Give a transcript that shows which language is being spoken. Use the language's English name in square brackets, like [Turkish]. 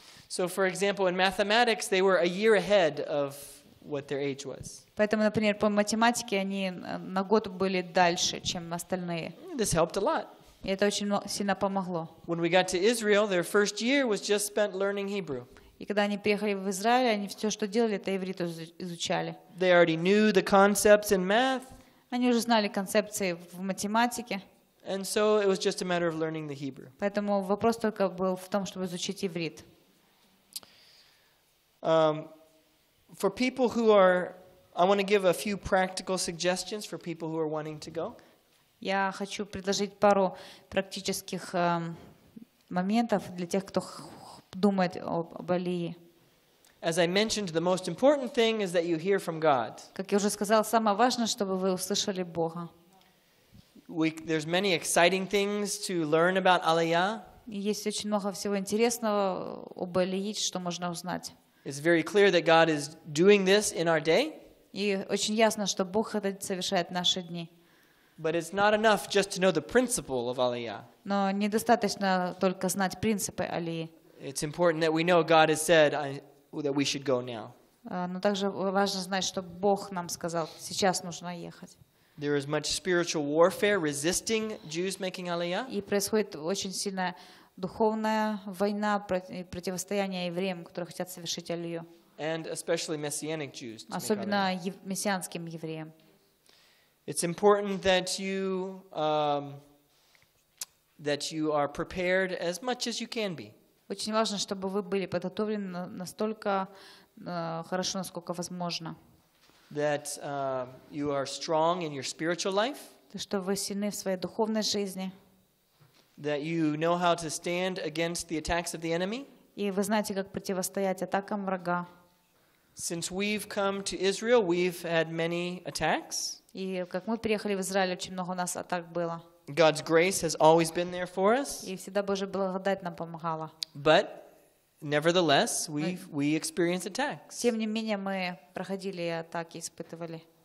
[English] So, for example, in mathematics, they were a year ahead of what their age was. [Russian] Поэтому, например, по математике они на год были дальше, чем остальные. [English] This helped a lot. [Russian] И это очень сильно помогло. [English] When we got to Israel, their first year was just spent learning Hebrew. [Russian] И когда они приехали в Израиль, они все, что делали, это иврит изучали. [English] They already knew the concepts in math. [Russian] Они уже знали концепции в математике. [English] And so it was just a matter of learning the Hebrew. [Russian] Поэтому вопрос только был в том, чтобы изучить иврит. [English] For people who are, I want to give a few practical suggestions for people who are wanting to go. [Russian] Я хочу предложить пару практических моментов для тех, кто думает об Алии. [English] As I mentioned, the most important thing is that you hear from God. [Russian] Как я уже сказал, самое важное, чтобы вы услышали Бога. [English] There's many exciting things to learn about Aliya. [Russian] Есть очень много всего интересного об Алии, что можно узнать. [English] It's very clear that God is doing this in our day. [Russian] И очень ясно, что Бог это совершает в наши дни. [English] But it's not enough just to know the principle of Aliya. [Russian] Но недостаточно только знать принципы Алии. [English] It's important that we know God has said that we should go now. [Russian] Но также важно знать, что Бог нам сказал, сейчас нужно ехать. [English] There is much spiritual warfare resisting Jews making Aliya. [Russian] И происходит очень сильная духовная война, противостояние евреям, которые хотят совершить Алию. [English] And especially messianic Jews. [Russian] Особенно мессианским евреям. [English] It's important that you are prepared as much as you can be. [Russian] Очень важно, чтобы вы были подготовлены настолько хорошо, насколько возможно. [English] That you are strong in your spiritual life. [Russian] Что вы сильны в своей духовной жизни. [English] That you know how to stand against the attacks of the enemy. [Russian] И вы знаете, как противостоять атакам врага. [English] Since we've come to Israel, we've had many attacks. [Russian] И как мы приехали в Израиль, очень много у нас атак было. [English] God's grace has always been there for us. [Russian] И всегда Божья благодать нам помогала. [English] But nevertheless, we experience attacks. [Russian] Тем не менее, мы проходили атаки, испытывали.